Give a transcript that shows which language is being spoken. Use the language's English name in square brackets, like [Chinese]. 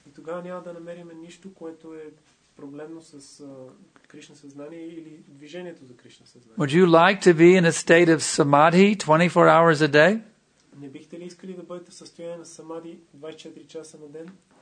[Bulgarian] Тогава няма да намерим нищо, което е проблемно с Кришна съзнание или движението за Кришна съзнание. [English] Would you like to be in a state of samadhi 24 hours a day? [Bulgarian] Не бихте ли искали да бъдете в състояние на самади 24 часа на ден?